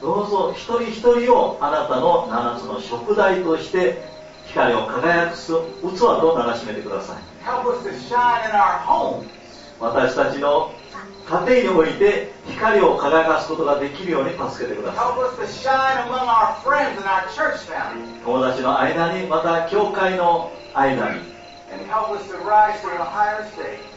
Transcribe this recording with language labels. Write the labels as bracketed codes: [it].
[ja] どうぞ一人一人をあなたの七つの燭台として光を輝くす器と鳴らしめてください。 [en] Help us to shine in our homes. [ja] 私たちの家庭において光を輝かすことができるように助けてください。 [en] Help us to shine among our friends and our church family. [ja] 友達の間にまた教会の間に。 [en] And help us to rise to a higher state.